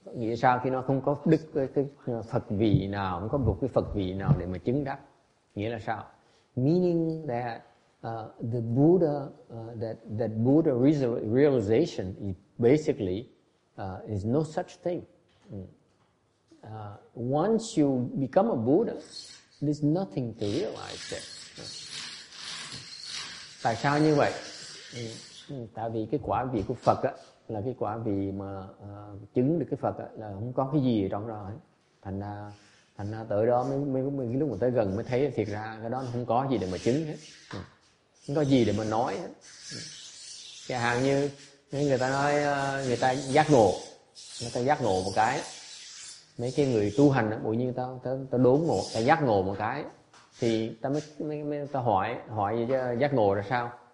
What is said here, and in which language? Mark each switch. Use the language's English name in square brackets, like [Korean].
[Vietnamese] Nghĩa sao khi nó không có đức cái Phật vị nào, không có một cái Phật vị nào để mà chứng đắc. Nghĩa là sao? [English] Meaning that the Buddha, that Buddha realization is basically is no such thing. Once you become a Buddha, there's nothing to realize there. [Vietnamese] Tại sao như vậy? Tại vì cái quả vị của Phật á, là cái quả vị mà chứng được cái Phật á, là không có cái gì trong đó. Thành ra tới đó mới lúc mà tới gần mới thấy thiệt ra cái đó nó không có gì để mà chứng hết. Không có gì để mà nói hết. Cái hàng như người ta nói người ta giác ngộ, người ta giác ngộ một cái, mấy cái người tu hành bỗng nhiên ta đốn ngộ, ta giác ngộ một cái, thì ta mới ta hỏi gì chứ, giác ngộ là sao?